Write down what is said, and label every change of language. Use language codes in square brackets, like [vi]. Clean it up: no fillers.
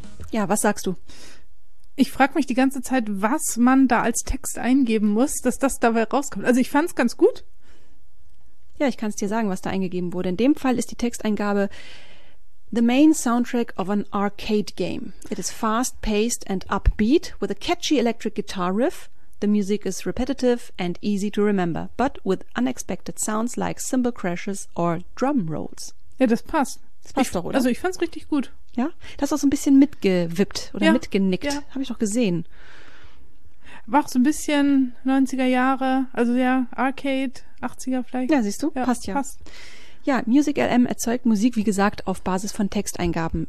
[de] Ja, was sagst du? Ich frage mich die ganze Zeit, was man da als Text eingeben muss, dass das dabei rauskommt. Also ich fand es ganz gut. Ja, ich kann es dir sagen, was da eingegeben wurde. In dem Fall ist die Texteingabe [en] "The main soundtrack of an arcade game. It is fast-paced and upbeat with a catchy electric guitar riff. The music is repetitive and easy to remember, but with unexpected sounds like cymbal crashes or drum rolls." [de] Ja, das passt. Das passt doch, oder? Also ich fand es richtig gut. Ja, das hast auch so ein bisschen mitgewippt oder ja, mitgenickt. Ja. Habe ich doch gesehen. War auch so ein bisschen 90er Jahre, also ja, Arcade, 80er vielleicht. Ja, siehst du, ja, passt ja. Passt. Ja, Music LM erzeugt Musik, wie gesagt, auf Basis von Texteingaben.